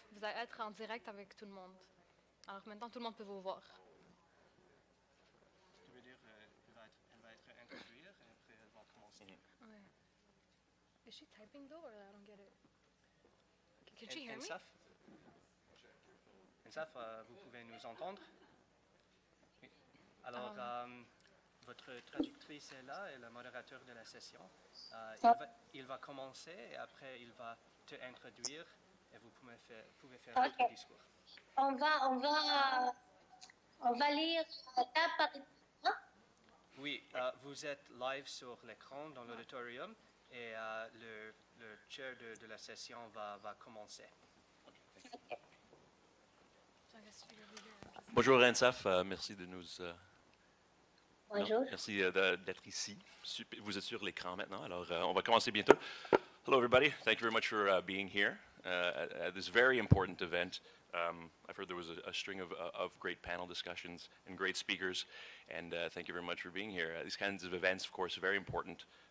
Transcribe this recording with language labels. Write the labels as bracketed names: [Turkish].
[French] Vous allez être en direct avec tout le monde. Alors maintenant tout le monde peut vous voir. Tu veux dire, elle va être introduite et après elle va commencer. Mm-hmm. [English] Ouais. Is she typing though or I don't get it? Can she hear me? Ensaf? [French] Ensaf, vous pouvez nous entendre? Oui. Alors, votre traductrice est là et la modérateur de la session. Il va commencer et après il va te introduire et vous pouvez faire votre discours. On va lire étape par étape. Oui, vous êtes live sur l'écran dans l'auditorium et le chair de la session va commencer. Bonjour Ensaf, merci de nous. Bonjour. Merci d'être ici. Super. Vous êtes sur l'écran maintenant, alors on va commencer bientôt. [English] Hello everybody, thank you very much for being here at this very important event. I've heard there was a string of great panel discussions and great speakers, and thank you very much for being here. These kinds of events, of course, are very important.